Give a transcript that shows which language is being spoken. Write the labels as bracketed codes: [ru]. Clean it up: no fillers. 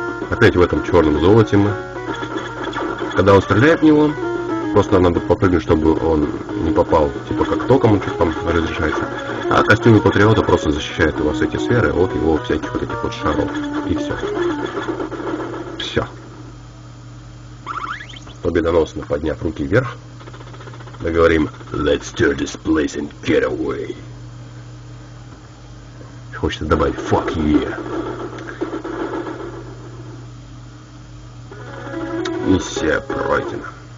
[ru] Опять в этом черном золоте мы. Когда он стреляет в него, просто надо попрыгнуть, чтобы он не попал. Типа как током он что-то там разрешается. А костюмы патриота просто защищают у вас эти сферы от его всяких вот этих вот шаров. И все. Все. Победоносно подняв руки вверх, мы говорим: [en] Let's tear this place and get away. [ru] Хочется добавить [en] fuck yeah. [ru] Миссия пройдена.